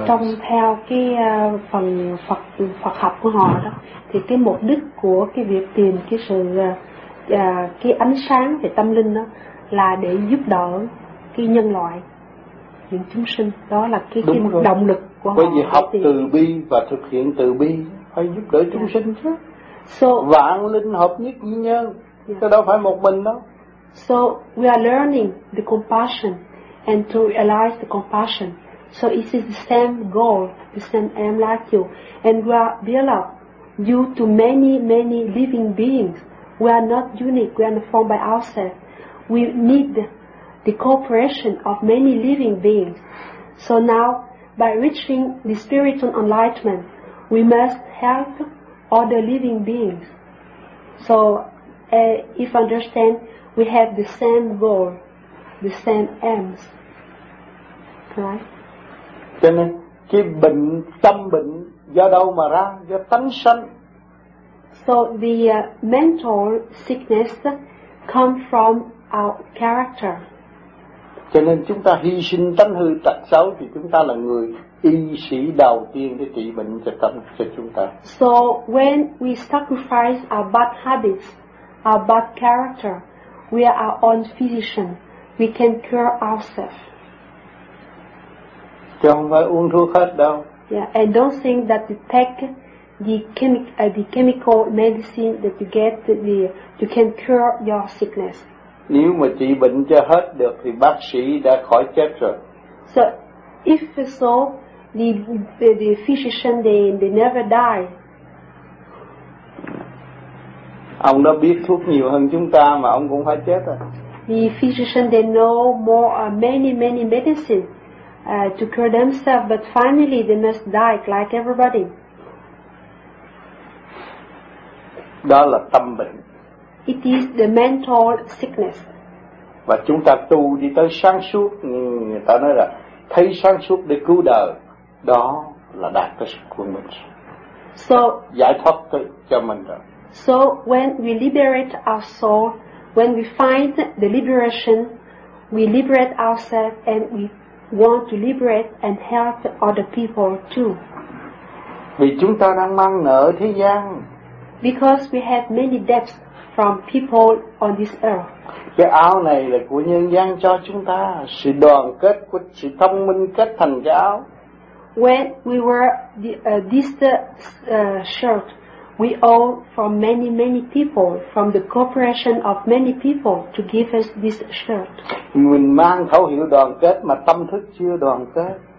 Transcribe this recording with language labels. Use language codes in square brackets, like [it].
[vi] Trong theo cái phần Phật học của họ đó, thì cái mục đích của cái việc tìm cái sự cái ánh sáng về tâm linh đó là để giúp đỡ cái nhân loại, những chúng sinh. Đó là cái động lực của họ. Bởi vì học từ bi và thực hiện từ bi phải giúp đỡ chúng sinh chứ. [en] So, [vi] vạn linh hợp nhất duy nhân, chứ đâu phải một mình đâu. [en] So we are learning the compassion and to realize the compassion. So it is the same goal, the same aim like you. And we are built up due to many, many living beings. We are not unique, we are formed by ourselves. We need the cooperation of many living beings. So now, by reaching the spiritual enlightenment, we must help other living beings. So, if understand, we have the same goal, the same aims, right? [vi] Cho nên, cái bệnh, tâm bệnh, do đâu mà ra? Do tánh sanh. [en] So, the mental sickness come from our character. [vi] Cho nên, chúng ta hy sinh tánh hư tật xấu, thì chúng ta là người y sĩ đầu tiên để trị bệnh cho tâm cho chúng ta. [en] So when we sacrifice our bad habits, our bad character, we are our own physician. We can cure ourselves. [vi] Chứ không phải uống thuốc hết đâu. [en] Yeah, and don't think that you take the chemical medicine that you get, you can cure your sickness. [vi] Nếu mà trị bệnh cho hết được thì bác sĩ đã khỏi chết rồi. [en] So if so, the physician they never die. [vi] Ông đó biết thuốc nhiều hơn chúng ta mà ông cũng phải chết rồi. [en] The physician they know more many medicine to cure themselves, but finally they must die like everybody. [vi] Đó là tâm bệnh. [en] It is the mental sickness. [vi] Và chúng ta tu đi tới sáng suốt, người ta nói là thấy sáng suốt để cứu đời, đó là đạt tới sự quân mình. [en] So [vi] giải thoát cho mình rồi. [en] So when we liberate our soul, when we find the liberation, we liberate ourselves and we want to liberate and help other people too. [vi] Vì chúng ta đang mang nợ thế gian. [en] Because we have many debts from people on this earth. [vi] Cái áo này là của nhân gian cho chúng ta, sự đoàn kết, của sự thông minh kết thành cái áo. [en] When we wear this shirt, we owe from many people, from the cooperation of many people to give us this shirt. [vi] Mình mang khẩu hiệu đoàn kết mà tâm thức chưa đoàn kết.